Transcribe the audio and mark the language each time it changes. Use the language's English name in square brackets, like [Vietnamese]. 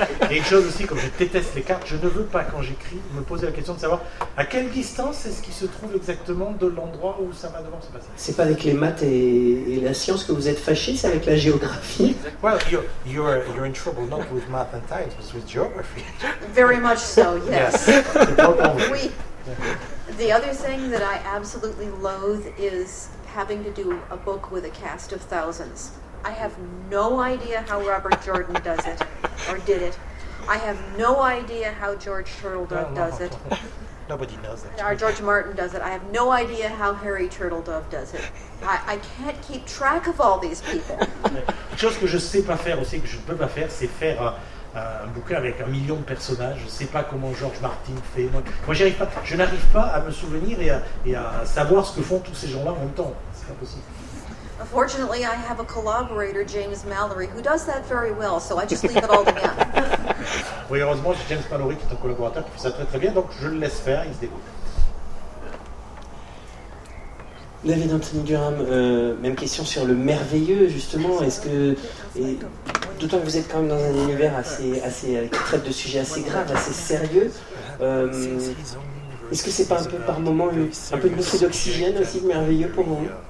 [French] Et une chose aussi, comme je déteste les cartes, je ne veux pas, quand j'écris, me poser la question de savoir à quelle distance est-ce qu'il se trouve exactement de l'endroit où ça va devoir se passer. C'est pas avec les maths et la science que vous êtes fâchés, c'est avec la géographie. [English] Well, you're in trouble not with math and science, but with geography. Very much so, yes. [French] Oui. [English] The other thing that I absolutely loathe is having to do a book with a cast of thousands. I have no idea how Robert Jordan does it, or did it. I have no idea how George Turtledove does it. Nobody knows it. Or George Martin does it. I have no idea how Harry Turtledove does it. I can't keep track of all these people. [French] Une chose que je ne sais pas faire aussi, que je ne peux pas faire, c'est faire un bouquin avec un million de personnages. Je ne sais pas comment George Martin fait. Moi j'arrive pas, je n'arrive pas à me souvenir et à savoir ce que font tous ces gens-là en même temps. C'est pas possible. [English] Unfortunately, I have a collaborator, James Mallory, who does that very well, so I just leave it all to him. [French] Oui, heureusement, j'ai James Mallory qui est un collaborateur qui fait ça très très bien, donc je le laisse faire, il se débrouille. David Anthony Durham, même question sur le merveilleux, justement. Est-ce que, et, d'autant que vous êtes quand même dans un univers assez qui traite de sujets assez graves, assez sérieux, est-ce que c'est pas un peu par moment un peu de bouffée d'oxygène aussi de merveilleux pour vous?